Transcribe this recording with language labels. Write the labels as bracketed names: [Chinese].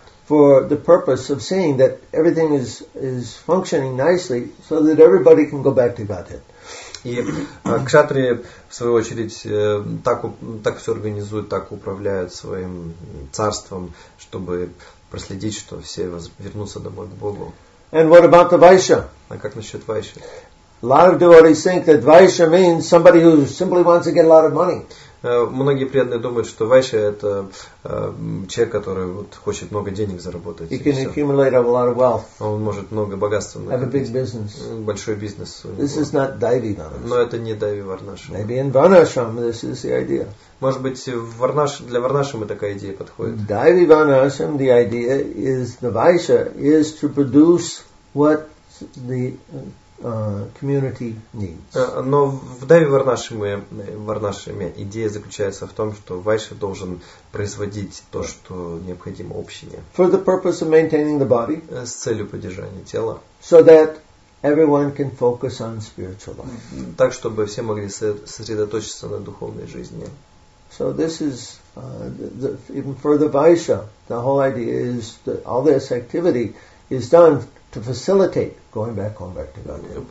[English] For the purpose of seeing that everything is functioning nicely, so that everybody can go back to Godhead. [Russian] И кшатри в свою очередь так все организуют, так управляют своим царством, чтобы проследить, что все вернутся домой к Богу. [English] And what about the Vaishya? [Russian] А как насчет Вайши? [English] A lot of devotees think that Vaishya means somebody who simply wants to get a lot of money. [Russian] Многие преданные думают, что Вайша – это человек, который вот хочет много денег заработать. [English] He can accumulate a lot of wealth. [Russian] Он может много богатства накопить. [English] Have a big business. [Russian] Большой бизнес у него. [English] This is not Daivi Varnashram. [Russian] Но это не Daivi Varnashram. [English] Maybe in Varnashram this is the idea. [Russian] Может быть, для Варнашрамы такая идея подходит. [English] Daivi Varnashram, the idea is the Vaisha is to produce what the community needs. [Russian] Но в Daivi Varnashrame идея заключается в том, что Вайша должен производить то, что необходимо общине. [English] For the purpose of maintaining the body. [Russian] С целью поддержания тела. [English] So that everyone can focus on spiritual life. [Russian] Так, чтобы все могли сосредоточиться на духовной жизни. [English] So this is even for the Vaisha, the whole idea is that all this activity is done to facilitate going back home, back to Godhead.